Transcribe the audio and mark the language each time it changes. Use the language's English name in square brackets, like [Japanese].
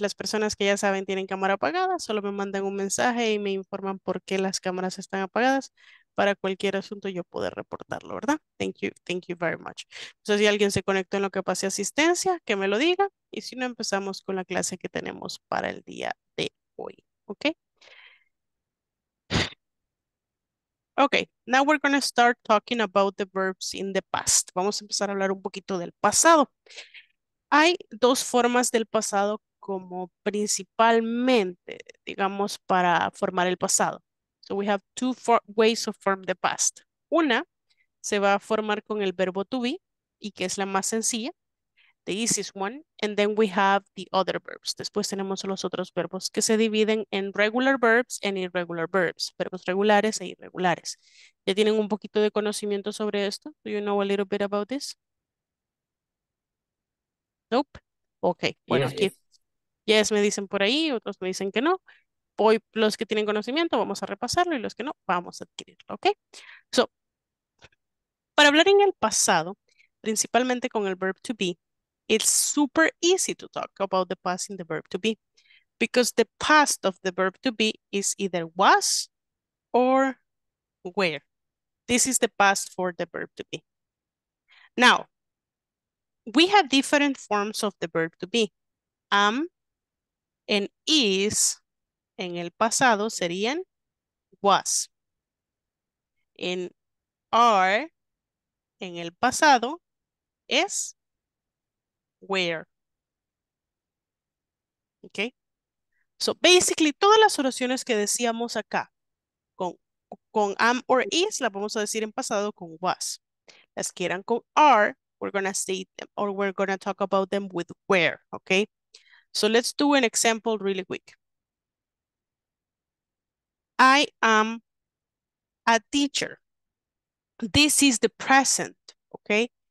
[Spanish] Las personas que ya saben tienen cámara apagada, solo me mandan un mensaje y me informan por qué las cámaras están apagadas para cualquier asunto yo poder reportarlo, ¿verdad? [English] Thank you very much. [Spanish] Entonces, si alguien se conectó en lo que pase asistencia, que me lo diga. Y si no, empezamos con la clase que tenemos para el día de hoy, ¿ok? [English] Ok, now we're going to start talking about the verbs in the past. [Spanish] Vamos a empezar a hablar un poquito del pasado. Hay dos formas del pasado como principalmente, digamos, para formar el pasado. [English] So we have two ways to form the past. [Spanish] Una se va a formar con el verbo to be, y que es la más sencilla, [English] the easiest one, and then we have the other verbs. [Spanish] Después tenemos los otros verbos que se dividen en [English] regular verbs and irregular verbs, [Spanish] verbos regulares e irregulares. ¿Ya tienen un poquito de conocimiento sobre esto? [English] Do you know a little bit about this? Nope. Okay. [Spanish] Bueno, aquí. Yes, me dicen por ahí, otros me dicen que no. Hoy, los que tienen conocimiento, vamos a repasarlo, y los que no, vamos a adquirirlo, ¿ok? [English] So, [Spanish] para hablar en el pasado, principalmente con el [English] verb to be, it's super easy to talk about the past in the verb to be, because the past of the verb to be is either was or were. This is the past for the verb to be. Now, we have different forms of the verb to be. Am and is. [Spanish] En el pasado serían was. En are, en el pasado, es where. Ok. [English] So, basically, [Spanish] todas las oraciones que decíamos acá con am or is, las vamos a decir en pasado con was. Las que eran con [English] are, we're going to say them, or we're going to talk about them with where. Ok. So, let's do an example really quick. I am a teacher. This is the present, okay?